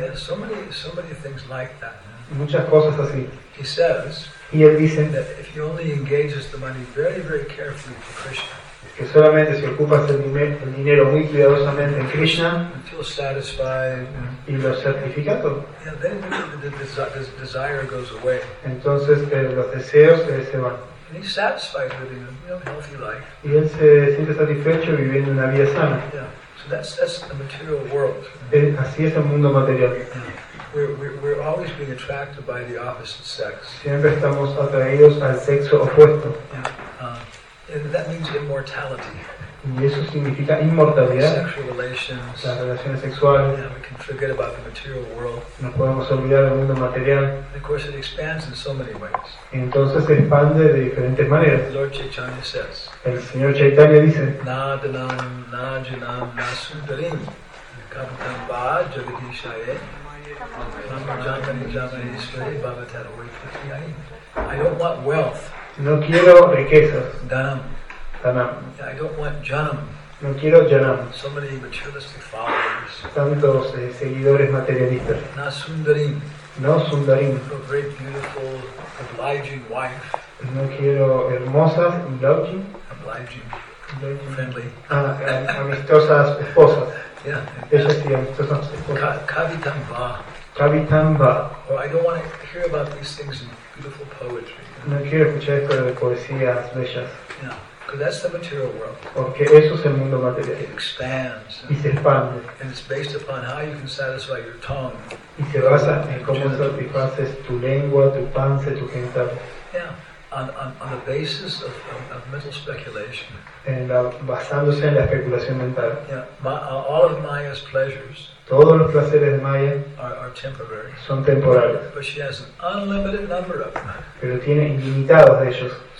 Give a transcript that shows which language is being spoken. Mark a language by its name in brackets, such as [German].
[English] Yeah, so many things like that. [Spanish] Y muchas cosas así. [English] He says. [Spanish] Y él dice. [English] That if he only engages the money very, very carefully for Krishna. [Spanish] Que solamente si ocupas el dinero muy cuidadosamente en Krishna [English] feel satisfied, [Spanish] y lo certifica todo, [English] yeah, then the desire goes away. [Spanish] Entonces los deseos se van. [English] And he's satisfied living a, you know, healthy life. [Spanish] Y él se siente satisfecho viviendo una vida sana. [English] Yeah. So that's the material world. [Spanish] Así es el mundo material. [English] Yeah. We're always being attracted by the opposite sex. [Spanish] Siempre estamos atraídos al sexo opuesto. [English] Yeah. And that means immortality. [Spanish] Y eso significa inmortalidad. [English] Sexual relations. [Spanish] Las relaciones sexuales. [English] Yeah, we can forget about the material world. [Spanish] No podemos olvidar el mundo material. [English] And of course, it expands in so many ways. [Spanish] Entonces se expande de diferentes maneras. [English] Lord Chaitanya says. [Spanish] El señor Chaitanya dice. [Sanskrit] Na dhanam na junam na sundarim kavitam ba jagadishaye namajantani jamani swari bhavatara vaikrityayi. [English] I don't want wealth. [Spanish] No quiero riquezas. [Sanskrit] Dhanam. Janam. [English] I don't want janam. [Spanish] No quiero janam. [English] So many materialistic followers. [Spanish] Tantos seguidores materialistas. [Sanskrit] Na sundarim. [Spanish] No sundarim. [English] A very beautiful, obliging wife. [Spanish] No quiero hermosas, [English] obliging. Obliging. Obliging. Friendly. [Spanish] Ah, amistosas esposas. [English] Yeah. [Spanish] Esas sí, amistosas esposas. [Sanskrit] Kavitamba. Kavitamba. [English] Or I don't want to hear about these things in beautiful poetry. [Spanish] No quiero escuchar esto de poesías bellas. [English] Yeah. So that's the material world. [Spanish] Porque eso es el mundo material. [English] It expands. [Spanish] Y se expande. [English] And it's based upon how you can satisfy your tongue. [Spanish] Y se basa en cómo satisfaces tu lengua, tu panza, tu genitalia. [English] Yeah, on the basis of mental speculation. [Spanish] Basándose en la especulación mental. [English] Yeah, all of Maya's pleasures. [Spanish] Todos los placeres de Maya [English] are temporary. [Spanish] Son temporales. [English] But she has an unlimited number of them. [Spanish] Pero tiene ilimitados de ellos.